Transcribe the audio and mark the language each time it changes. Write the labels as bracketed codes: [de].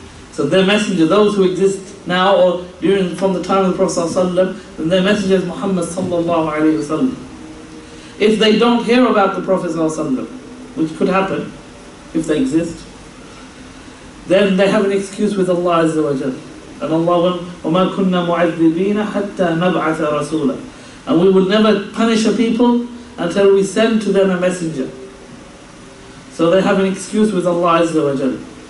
[en] So their messenger, those who exist now or during from the time of the Prophet ﷺ, then their messenger is Muhammad sallallahu alaihi wasallam. If they don't hear about the Prophet ﷺ, which could happen if they exist, then they have an excuse with Allah Azza wa Jalla. And Allah went, [ar] وَمَا كُنَّا مُعَذِّبِينَ حَتَّى نَبْعَثَ رَسُولًا. [en] And we will never punish a people until we send to them a messenger. So they have an excuse with Allah Azza wa Jalla.